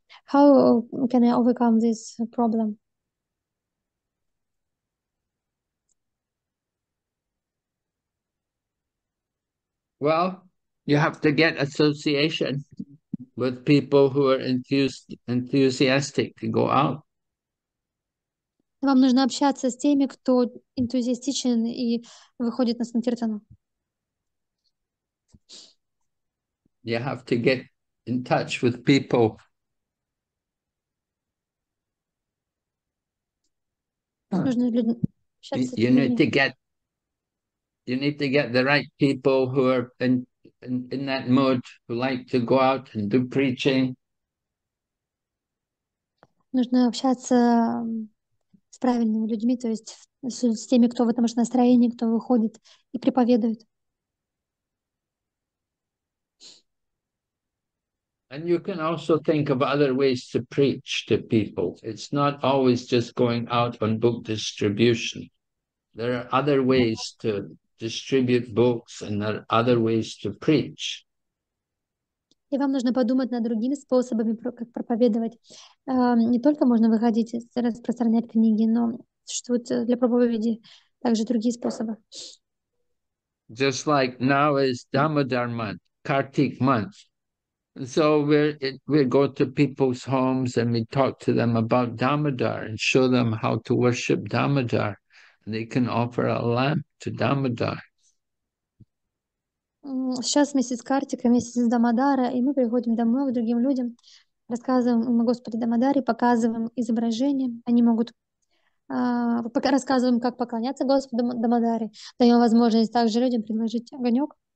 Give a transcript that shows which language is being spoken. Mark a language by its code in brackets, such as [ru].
[en] How can I overcome this problem? Well, you have to get association with people who are enthusiastic to go out. [ru] Вам нужно общаться с теми, кто энтузиастичен и выходит на санкиртану. [en] You have to get in touch with people. [ru] Нужно общаться с людьми. [en] You need to get the right people who are in that mood, who like to go out and do preaching. [ru] Нужно общаться с правильными людьми, то есть с теми, кто в этом же настроении, кто выходит и проповедует. [en] And you can also think of other ways to preach to people. It's not always just going out on book distribution. There are other ways to distribute books, and there are other ways to preach. [ru] И вам нужно подумать над другими способами, как проповедовать. Не только можно выходить и распространять книги, но существуют для проповеди также другие способы. [en] Just like now is Damodar month, Kartik month. So we go to people's homes and we talk to them about Damodar and show them how to worship Damodar. They can offer a lamp to Damodar. [ru] Сейчас месяц Картика, месяц Дамодара, и мы приходим домой к другим людям, рассказываем им о Господе Дамодаре, показываем изображение. Они могут пока рассказываем, как поклоняться Господу Дамодаре, даем возможность также людям предложить огонек.